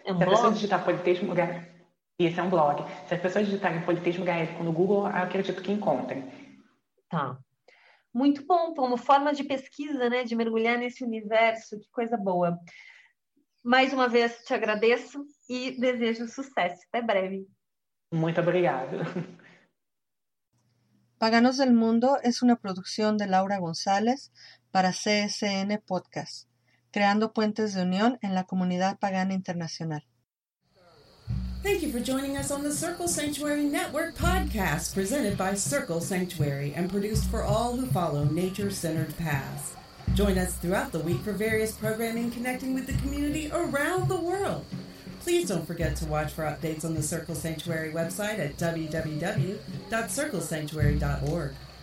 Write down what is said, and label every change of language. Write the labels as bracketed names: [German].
[Portuguese] Se a pessoa digitar Politeísmo Gaélico... Esse é um blog. Se as pessoas digitarem Politeísmo Gaélico no Google, eu acredito que encontrem. Tá. Muito bom, como forma de pesquisa, né? De mergulhar nesse universo, que coisa boa. Mais uma vez te agradeço e desejo sucesso. Até breve. Muito obrigado. [Spanish] Paganos del Mundo es una producción de Laura González para CSN Podcast, creando puentes de unión en la comunidad pagana internacional. [English] Thank you for joining us on the Circle Sanctuary Network podcast, presented by Circle Sanctuary and produced for all who follow nature-centered paths. Join us throughout the week for various programming connecting with the community around the world. Please don't forget to watch for updates on the Circle Sanctuary website at www.circlesanctuary.org.